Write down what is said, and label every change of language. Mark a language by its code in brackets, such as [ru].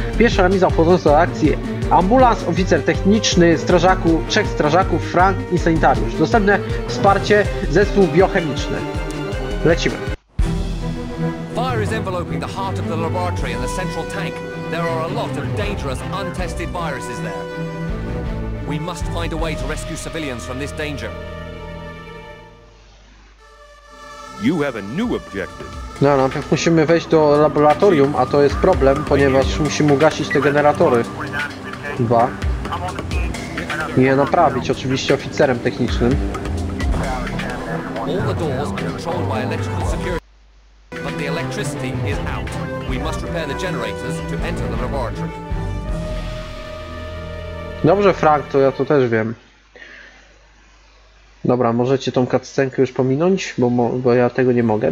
[pl] Pierwsza remiza wchodząca do akcji: ambulans, oficer techniczny, strażaku, trzech strażaków, Frank i sanitariusz. Dostępne wsparcie: zespół biochemiczny. Lecimy. [en] Fire is enveloping the heart of the laboratory and the central tank. There are a lot of dangerous, untested viruses there. We must find a way to rescue civilians from this danger. You have a new objective. [pl] No, najpierw musimy wejść do laboratorium, a to jest problem, ponieważ musimy ugasić te generatory. Dwa. I je naprawić, oczywiście oficerem technicznym. [en] All the doors are controlled by electrical security, but the electricity is out. We must repair the generators to enter the laboratory. [pl] Dobrze, Frank, to ja to też wiem. Dobra, możecie tą cutscenkę już pominąć, bo ja tego nie mogę.